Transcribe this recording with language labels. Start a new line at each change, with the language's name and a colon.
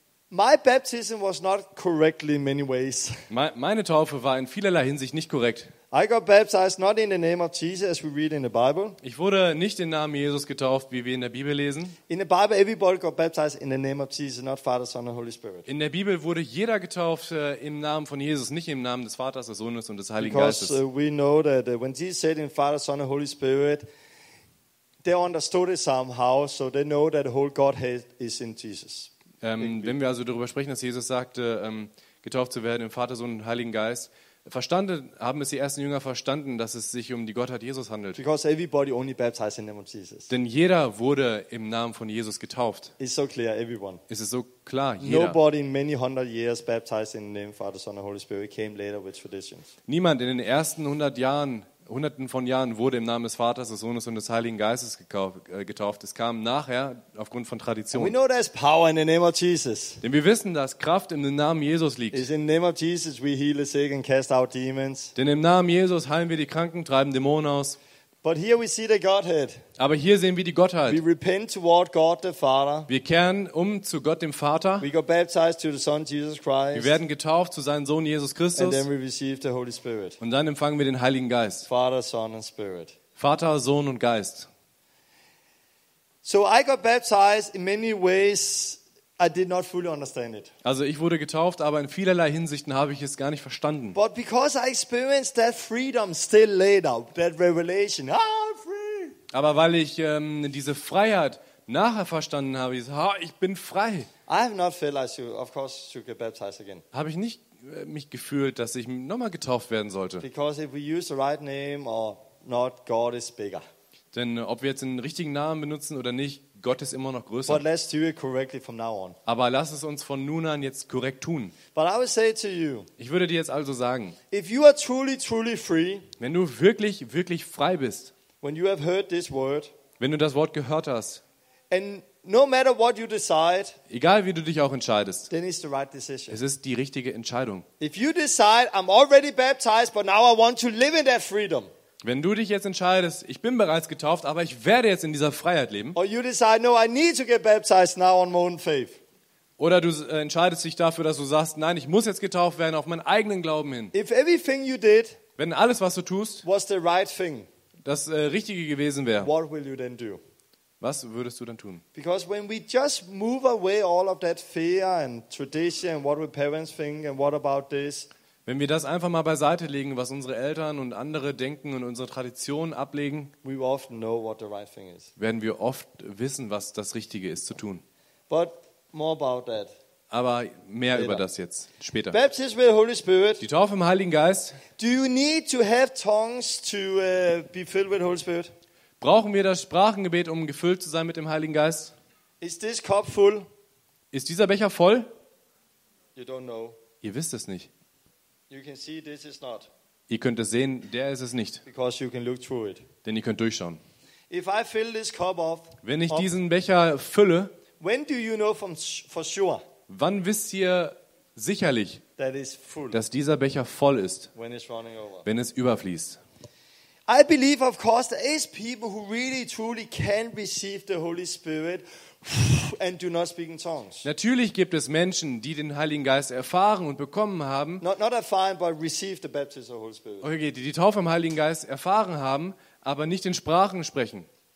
English: My baptism was not correctly in many ways.
German: Meine Taufe war in vielerlei Hinsicht nicht korrekt.
English: I got baptized not in the name of Jesus, as we read in the Bible.
German: Ich wurde nicht im Namen Jesus getauft, wie wir in der Bibel lesen.
English: In the Bible, everybody got baptized in the name of Jesus, not Father, Son, and Holy Spirit.
German: In der Bibel wurde jeder getauft im Namen von Jesus, nicht im Namen des Vaters, des Sohnes und des Heiligen
English: Because,
German: Geistes.
English: Because we know that when Jesus said in Father, Son, and Holy Spirit, they understood it somehow, so they know that the whole Godhead is in Jesus.
German: Wenn wir also darüber sprechen, dass Jesus sagte, getauft zu werden im Vater, Sohn und Heiligen Geist, verstanden, haben es die ersten Jünger verstanden, dass es sich um die Gottheit Jesus handelt.
English: Because everybody only baptized in the name of Jesus.
German: Denn jeder wurde im Namen von Jesus getauft.
English: It's so clear, everyone.
German: Es ist so klar, jeder.
English: Nobody in many hundred years baptized in the name of Father, Son and Holy Spirit came later with traditions.
German: Niemand in den ersten hunderten von Jahren wurde im Namen des Vaters, des Sohnes und des Heiligen Geistes getauft. Es kam nachher aufgrund von Tradition.
English: We know there's power in the name of Jesus.
German: Denn wir wissen, dass Kraft in dem Namen Jesus liegt.
English: It's in the name of Jesus we heal the sick and cast out demons.
German: Denn im Namen Jesus heilen wir die Kranken, treiben Dämonen aus.
English: But here we see the Godhead.
German: Aber hier sehen wir die Gottheit.
English: We repent toward God the Father.
German: Wir kehren um zu Gott dem Vater.
English: We got baptized to the Son Jesus Christ.
German: Wir werden getauft zu seinem Sohn Jesus Christus.
English: And then we receive the Holy Spirit.
German: Und dann empfangen wir den Heiligen Geist.
English: Father, Son and Spirit.
German: Vater, Sohn und Geist.
English: So I got baptized in many ways I did not fully understand it.
German: Also ich wurde getauft, aber in vielerlei Hinsichten habe ich es gar nicht verstanden.
English: But because I experienced that freedom still later, that revelation, I'm free.
German: Aber weil ich diese Freiheit nachher verstanden habe, ich bin frei.
English: I have not felt like you, of course, to get baptized again.
German: Habe ich nicht mich gefühlt, dass ich nochmal getauft werden sollte.
English: Because if we use the right name or not, God is bigger.
German: Denn ob wir jetzt den richtigen Namen benutzen oder nicht, Gott ist immer noch größer.
English: But let's do it correctly from now on.
German: Aber lass es uns von nun an jetzt korrekt tun.
English: But I would say to you,
German: ich würde dir jetzt also sagen,
English: if you are truly, truly free,
German: wenn du wirklich, wirklich frei bist,
English: when you have heard this word,
German: wenn du das Wort gehört hast,
English: and no matter what you decide,
German: egal wie du dich auch entscheidest,
English: then it's the right decision.
German: Es ist die richtige Entscheidung.
English: If you decide, I'm already baptized, but now I want to live in that freedom.
German: Wenn du dich jetzt entscheidest, ich bin bereits getauft, aber ich werde jetzt in dieser Freiheit leben.
English: Or you decide, no, I need to get baptized now on my own faith.
German: Oder du entscheidest dich dafür, dass du sagst, nein, ich muss jetzt getauft werden auf meinen eigenen Glauben hin.
English: If everything you did,
German: wenn alles, was du tust,
English: was the right thing,
German: das Richtige gewesen wäre,
English: what will you then do?
German: Was würdest du dann tun?
English: Because when we just move away all of that fear and tradition and what will parents think and what about this?
German: Wenn wir das einfach mal beiseite legen, was unsere Eltern und andere denken und unsere Traditionen ablegen,
English: we often know what the right thing is.
German: Werden wir oft wissen, was das Richtige ist zu tun.
English: But more about that.
German: Aber mehr later. Über das jetzt, später.
English: Baptism with the Holy Spirit.
German: Die Taufe im Heiligen Geist.
English: Do you need to have tongues to be filled with the Holy Spirit?
German: Brauchen wir das Sprachengebet, um gefüllt zu sein mit dem Heiligen Geist?
English: Is this cup full?
German: Ist dieser Becher voll?
English: You don't know.
German: Ihr wisst es nicht.
English: You can see this is not.
German: Ihr könnt es sehen, der ist es nicht.
English: Because you can look through it.
German: Denn ihr könnt durchschauen.
English: If I fill this cup off,
German: wenn ich diesen Becher fülle,
English: when do you know for sure,
German: wann wisst ihr sicherlich,
English: that is full,
German: dass dieser Becher voll ist,
English: when it's running over,
German: wenn es überfließt?
English: I believe, of course, there is people who really, truly can receive the Holy Spirit and do not speak in tongues.
German: Natürlich gibt es Menschen, die den Heiligen Geist erfahren und bekommen haben.
English: Not erfahren, but receive the baptism of the Holy Spirit.
German: Okay, die Taufe im Heiligen Geist erfahren haben, aber nicht in Sprachen sprechen.